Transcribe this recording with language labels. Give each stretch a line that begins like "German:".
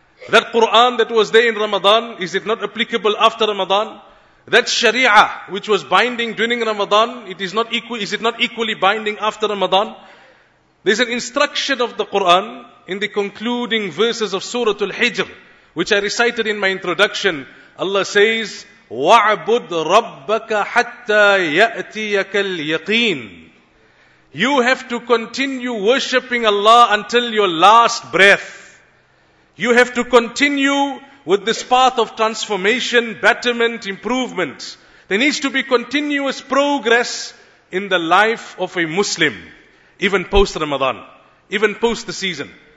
English: That Quran that was there in Ramadan, is it not applicable after Ramadan? That Sharia which was binding during Ramadan, is it not equally binding after Ramadan? There's an instruction of the Quran in the concluding verses of Surah Al-Hijr, which I recited in my introduction. Allah says,
Arabic: وَعْبُدْ رَبَّكَ حَتَّى يَأْتِيَكَ الْيَقِينَ.
English: You have to continue worshipping Allah until your last breath. You have to continue with this path of transformation, betterment, improvement. There needs to be continuous progress in the life of a Muslim, even post Ramadan, even post the season.